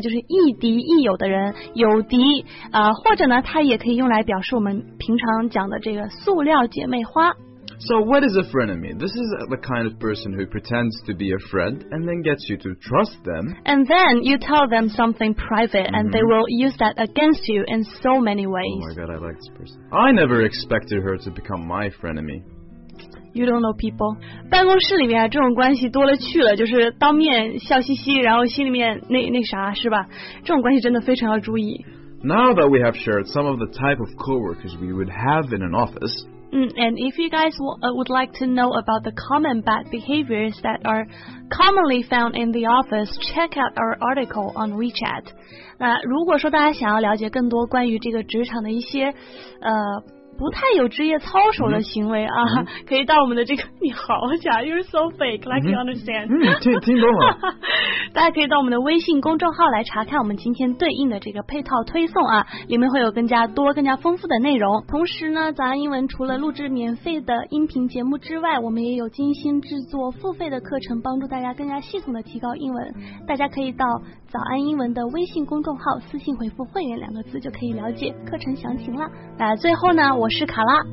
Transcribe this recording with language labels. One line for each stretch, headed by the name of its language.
Chinese: 就是亦敌亦友的人，有敌。或者呢，它也可以用来表示我们平常讲的这个塑料姐妹花。
English: So what is a frenemy? This is the kind of person who pretends to be a friend and then gets you to trust them. And then you tell them something private and they will use that against you in so many ways. Oh my god, I like this person. I never expected her to become my frenemy. You don't know people.
Chinese: 办公室里面这种关系多了去了，就是当面笑嘻嘻，然后心里面那啥，是吧？这种关系真的非常要注意。
English: Now that we have shared some of the type of coworkers we would have in an office, And if you guys would like to know about the common bad behaviors that are commonly found in the office, check out our article on WeChat.
Chinese: 那如果说大家想要了解更多关于这个职场的一些不太有职业操守的行为啊、mm-hmm.
English: 可以到我们的这个
Chinese: 你好假
English: You're so fake Like、mm-hmm. you understand、
Chinese: mm-hmm. 听懂了大家可以到我们的微信公众号来查看我们今天对应的这个配套推送啊里面会有更加多更加丰富的内容同时呢早安英文除了录制免费的音频节目之外我们也有精心制作付费的课程帮助大家更加系统的提高英文大家可以到早安英文的微信公众号私信回复会员两个字就可以了解课程详情了那最后呢我是卡拉